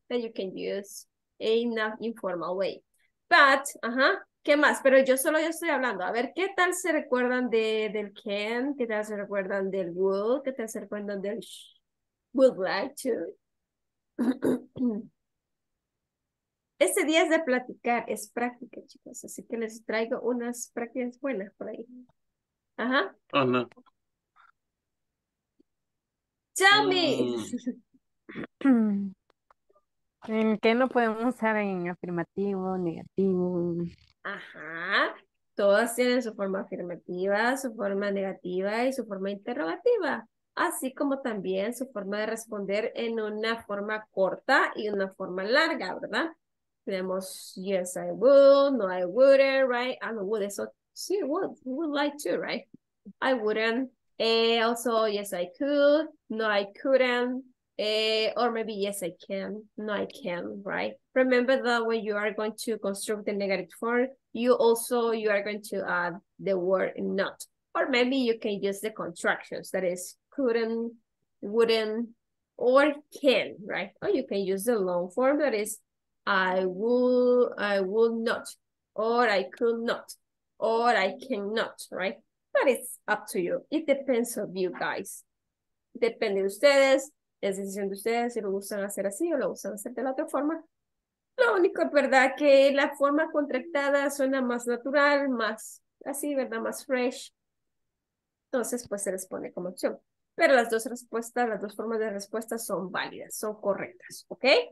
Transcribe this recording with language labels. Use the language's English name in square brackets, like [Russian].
[English] That you can use in an informal way. [Spanish] But, ¿qué más? Pero yo estoy hablando. A ver, ¿qué tal se recuerdan del can? ¿Qué tal se recuerdan del would? ¿Qué tal se recuerdan del would like to? Este día es de platicar, es práctica, chicos. Así que les traigo unas prácticas buenas por ahí. Ajá. [English] Oh, no. Tell me. [Spanish] ¿En qué no podemos usar en afirmativo, negativo? Ajá. Todas tienen su forma afirmativa, su forma negativa y su forma interrogativa. Así como también su forma de responder en una forma corta y una forma larga, ¿verdad? Tenemos, [English] yes, I would, no, I wouldn't, right? I would, [Spanish] eso, sí, [English] would like to, right? I wouldn't. Also, yes, I could, no, I couldn't. Or maybe, yes, I can, no, I can, right? Remember that when you are going to construct the negative form, you are going to add the word not. Or maybe you can use the contractions, that is, couldn't, wouldn't, or can, right? Or you can use the long form, that is, I would not, or I could not, or I cannot, right? But it's up to you. It depends on you guys. [Spanish] Depende de ustedes, es decisión de ustedes si lo gustan hacer así o lo gustan hacer de la otra forma. Lo único, ¿verdad? Que la forma contractada suena más natural, más así, ¿verdad? Más fresh. Entonces, pues se les pone como opción. Pero las dos respuestas, las dos formas de respuesta son válidas, son correctas, ¿ok?